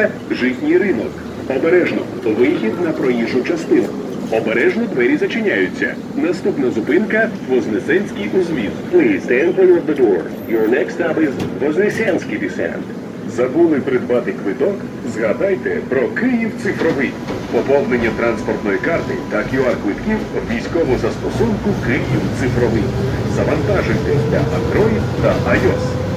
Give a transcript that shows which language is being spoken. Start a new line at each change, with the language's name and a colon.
Ukrainian: Житній ринок. Обережно. Вихід на проїжджу частину. Обережно, двері зачиняються. Наступна зупинка – Вознесенський узвіз.
English: Please stand clear of the door. Your next stop is Вознесенський десант.
Ukrainian: Забули придбати квиток? Згадайте про Київ цифровий. Поповнення транспортної карти та QR-квитків у військову застосунку Київ цифровий. Завантажуйте для Android та iOS.